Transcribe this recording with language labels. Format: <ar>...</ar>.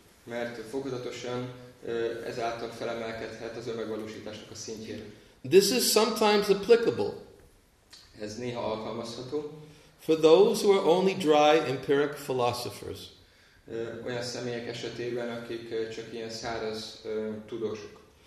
<hu>Mert fokozatosan ezáltal felemelkedhet az önmegvalósításnak a szintjére.</hu> <en>This is sometimes applicable.</en> <hu>Ez néha alkalmazható.</hu> <en>For those who are only dry empiric philosophers.</en> <hu>Olyan személyek esetében, akik csak ilyen száraz tudósok.</hu>